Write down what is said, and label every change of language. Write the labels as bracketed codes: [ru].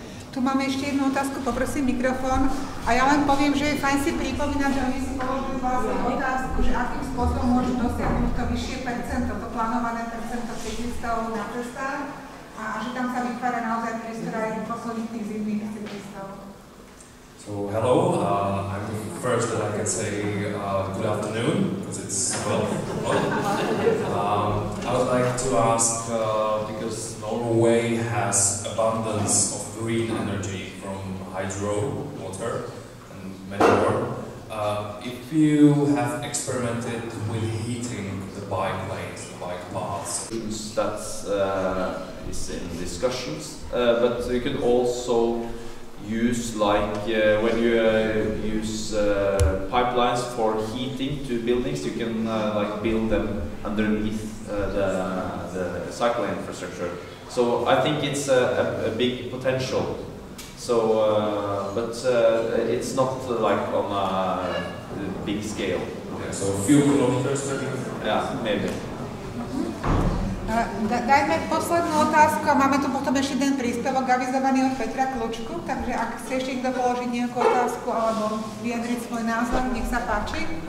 [cs] Tu máme ještě jednu otázku, poprosím mikrofon. A já vám povím, že je fajn si připomínat, že oni si položili vlastně otázku, že jakým způsobem můžu dosáhnout to vyšší percento, to plánované percento cyklistů na cestách, a že tam se vytváří naozaj prostor aj posledních tých zimných cyklistů. [en] So hello, I'm the first that I can say good afternoon, because it's 12:00. I would like to ask, because Norway has abundance of green energy from hydro water and many more, if you have experimented with heating the bike lanes, the bike paths? That is in discussions, but you could also use like when you use pipelines for heating to buildings, you can like build them underneath the cycling infrastructure. So I think it's a big potential. So but it's not like on a big scale. Okay, so a few kilometers, yeah, maybe. [sk] Dajme poslednú otázku a máme tu potom ešte jeden príspevok avizovaný od Petra Klučku, takže ak chce ešte niekto položiť nejakú otázku alebo vyjadriť svoj názor, nech sa páči.